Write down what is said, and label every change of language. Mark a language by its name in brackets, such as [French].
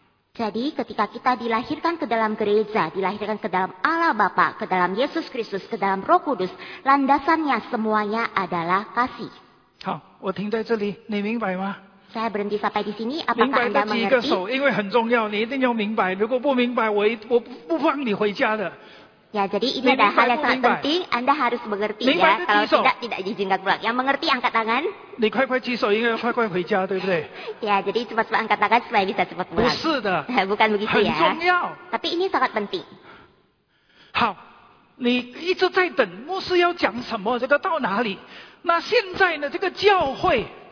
[Indonesian] Jadi ketika kita dilahirkan ke dalam gereja, dilahirkan ke dalam Allah Bapa, ke dalam Yesus Kristus, ke dalam Roh Kudus, landasannya semuanya adalah kasih. [Chinese] 好，我停在这里，你明白吗？ [Indonesian] Saya berhenti sampai di sini. Apakah Anda mengerti? [Chinese] 明白的举一个手，因为很重要，你一定要明白。如果不明白，我不放你回家的。 [Indonesian] Ya, jadi ini adalah hal yang sangat penting. Anda harus mengerti ya. Kalau tidak diizinkan pulang. Yang mengerti angkat tangan. [Chinese] 你快快举手，应该快快回家，对不对？ [Indonesian] Ya, jadi cepat-cepat angkat tangan supaya bisa cepat pulang. [Chinese] 不是的。 [Indonesian] Bukan begitu ya. [Chinese] 很重要。 [Indonesian] Tapi ini sangat penting. [Chinese] 好，你一直在等牧师要讲什么，这个到哪里？那现在呢？这个教会。